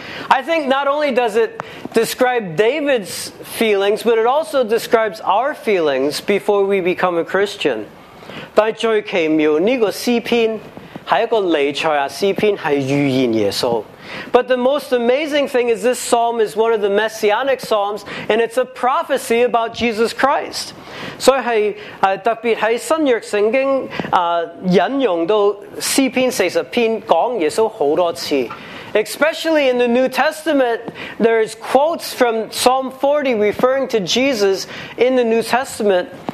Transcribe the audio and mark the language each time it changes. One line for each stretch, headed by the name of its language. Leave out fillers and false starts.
English: I think not only does it describe David's feelings, but it also describes our feelings before we become a Christian.
Chinese: 但最奇妙，这个诗篇是一个弥赛亚诗篇，是预言耶稣。
English: But the most amazing thing is this psalm is one of the messianic psalms, and it's a prophecy about Jesus Christ.
Chinese: 所以是特别在新约圣经引用到诗篇四十篇讲耶稣好多次。
English: Especially in the New Testament, there is quotes from Psalm 40 referring to Jesus in the New Testament.